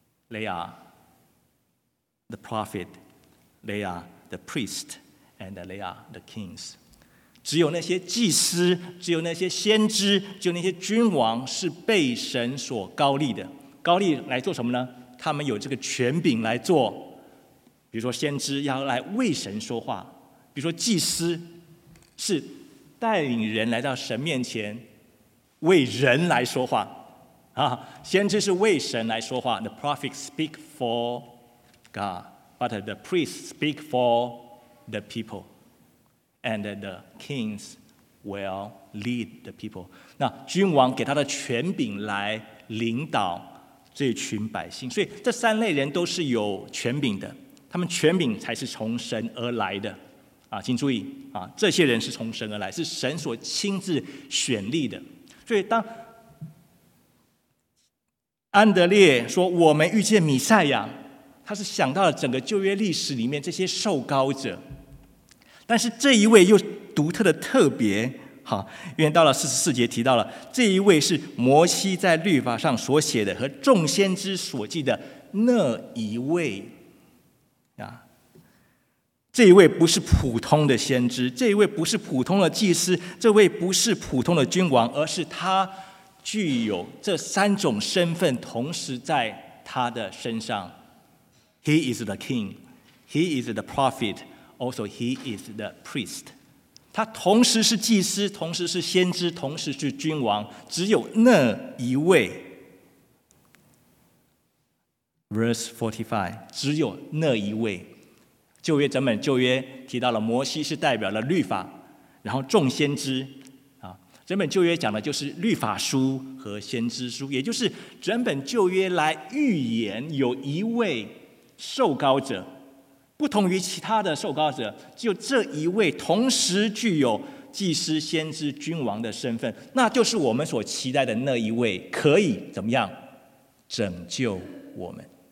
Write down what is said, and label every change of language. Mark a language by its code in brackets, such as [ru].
[en] They areThe prophet, they are the priest, and they are the kings. [zh] 只有那些祭司，只有那些先知，只有那些君王是被神所高立的。高立来做什么呢？他们有这个权柄来做。比如说先知要来为神说话，比如说祭司是带领人来到神面前为人来说话。先知是为神来说话。 [en] The prophet speak for God. But the priests speak for the people, and the kings will lead the people. [zh] 那君王给他的权柄来领导这群百姓，所以这三类人都是有权柄的，他们权柄才是从神而来的。啊，请注意啊，这些人是从神而来，是神所亲自选立的。所以当安德烈说我们遇见弥赛亚，他是想到了整个旧约历史里面这些受膏者，但是这一位又独特的特别，因为到了44节提到了这一位是摩西在律法上所写的和众先知所记的那一位。这一位不是普通的先知，这一位不是普通的祭司，这位不是普通的君王，而是他具有这三种身份同时在他的身上。 [en] He is the king, he is the prophet, also he is the priest. [zh] 他同时是祭司，同时是先知，同时是君王，只有那一位。 [en] Verse 45, [zh] 只有那一位。旧约整本旧约提到了摩西是代表了律法，然后众先知，整本旧约讲的就是律法书和先知书，也就是整本旧约来预言有一位受膏者，不同于其他的受膏者，就这一位同时具有祭司、先知、君王的身份，那就是我们所期待的那一位，可以怎么样拯救我们。